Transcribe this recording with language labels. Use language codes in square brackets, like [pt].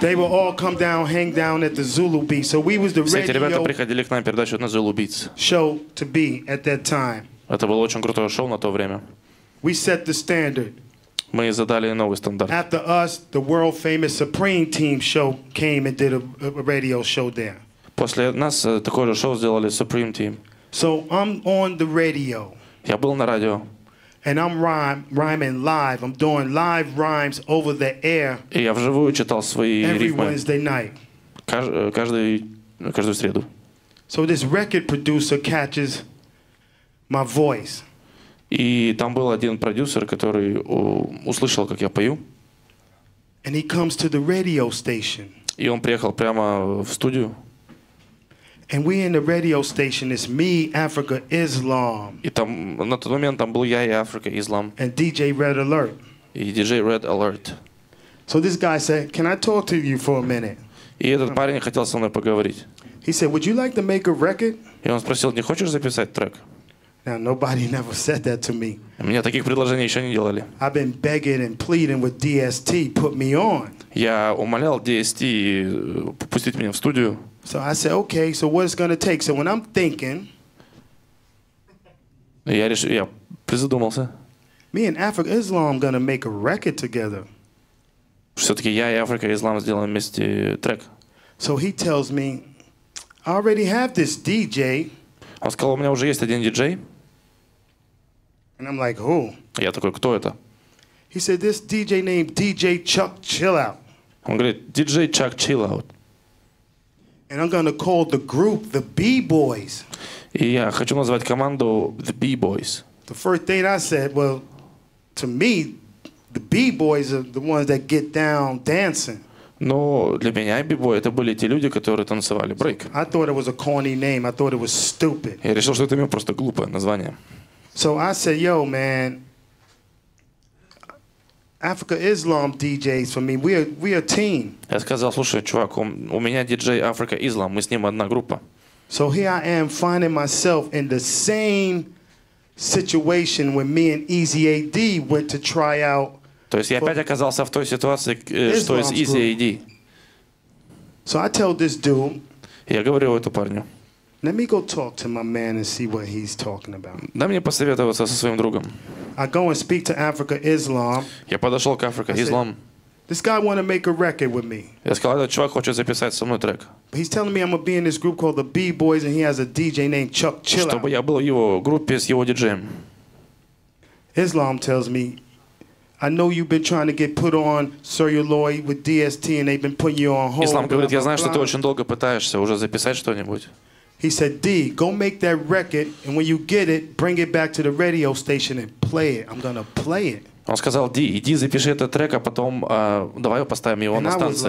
[en] They will all come down, hang down at the Zulu Beats. So we was the radio. [ru] Все эти ребята приходили к нам передачу на Zulu Beats. [en] Show to be at that time. [ru] Это было очень крутое шоу на то время. [en] We set the standard. [ru] Мы задали новый стандарт. [en] After us, the world famous Supreme Team show came and did a radio show there. [ru] После нас такое же шоу сделали Supreme Team. [en] So I'm on the radio. [ru] Я был на радио. [en] And I'm rhyming live. I'm doing live rhymes over the air. [ru] И я вживую читал свои [en] every [ru] рифмы. [en] Every Wednesday night. [ru] Каждую среду. [en] So this record producer catches my voice. [ru] И там был один продюсер, который услышал, как я пою. [en] And he comes to the radio station. [ru] И он приехал прямо в студию. [en] And we in the radio station, it's me, Africa Islam. [ru] И там на тот момент там был я и Африка Ислам. [en] And DJ Red Alert. [ru] И DJ Red Alert. [en] So this guy said, "Can I talk to you for a minute?" [ru] И этот парень хотел со мной поговорить. [en] He said, "Would you like to make a record?" [ru] И он спросил, не хочешь записать трек? [en] Now nobody never said that to me. [ru] Меня таких предложений еще не делали. [en] I've been begging and pleading with DST, put me on. [ru] Я умолял DST пустить меня в студию. [en] So I said, okay, so what it's going to take? So when I'm thinking, [ru] я призадумался. [en] Me and Africa Islam going to make a record together. [ru] Все-таки я и Африка Ислам сделаем вместе трек. [en] So he tells me, I already have this DJ. [ru] Он сказал, у меня уже есть один диджей. [en] And I'm like, who? [ru] Я такой, кто это? [en] He said, this DJ named DJ Chuck Chill Out. [ru] Он говорит, диджей Chuck Chill Out. [en] And I'm gonna call the group the B-Boys. [ru] И я хочу назвать команду the B-Boys. [en] The first thing I said, well, to me, the B-Boys are the ones that get down dancing. [ru] Но для меня B-Boy это были те люди, которые танцевали брейк. [en] I thought it was a corny name. I thought it was stupid. [ru] Я решил, что это имя просто глупое название. [en] So I said, yo, man, Africa Islam DJs for me. We are team. [ru] Я сказал, слушай, чувак, у меня диджей Африка Ислам, мы с ним одна группа. [en] So here I am finding myself in the same situation when me and Easy AD went to try out. [ru] То есть я опять оказался в той ситуации, что из Easy AD. [en] So I tell this dude. [ru] Я говорю этому парню. [en] Let me go talk to my man and see what he's talking about. [ru] Дай мне посоветоваться со своим другом. [en] I go and speak to Africa Islam. [ru] Я подошел к Африка Ислам. [en] This guy want to make a record with me. [ru] Я сказал, этот чувак хочет записать со мной трек. [en] But he's telling me I'm gonna be in this group called the B-Boys and he has a DJ named Chuck Chill Out. [ru] Чтобы я был в его группе с его диджеем. [en] Islam tells me, I know you've been trying to get put on Celluloid with DST and they've been putting you on hold. [ru] Ислам говорит, я знаю, что ты очень долго пытаешься уже записать что-нибудь. [en] He said, D, go make that record, and when you get it, bring it back to the radio station and play it. I'm gonna play it. [ru] Он сказал, D, иди запиши этот трек, а потом давай поставим его на станции.